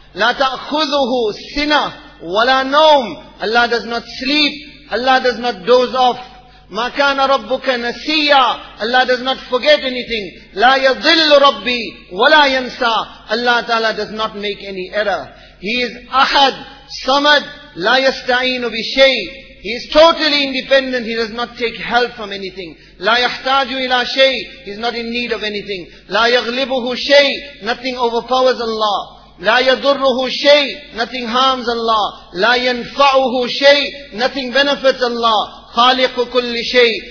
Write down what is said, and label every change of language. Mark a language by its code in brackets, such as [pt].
[ar] لا تأخذه سنة ولا نوم. [en] Allah does not sleep. Allah does not doze off. [ar] ما كان ربك نسيا. [en] Allah does not forget anything. [ar] لا يضل ربي ولا ينسى. [en] Allah Ta'ala does not make any error. He is [ar] أحد صمد لا يستعين بشيء. [en] He is totally independent. He does not take help from anything. [ar] لا يحتاج إلى شيء. [en] He is not in need of anything. [ar] لا يغلبه شيء. [en] Nothing overpowers Allah. [ar] لا يضره شيء. [en] Nothing harms Allah. [ar] لا ينفعه شيء. [en] Nothing benefits Allah. [ar] خالق كل شيء.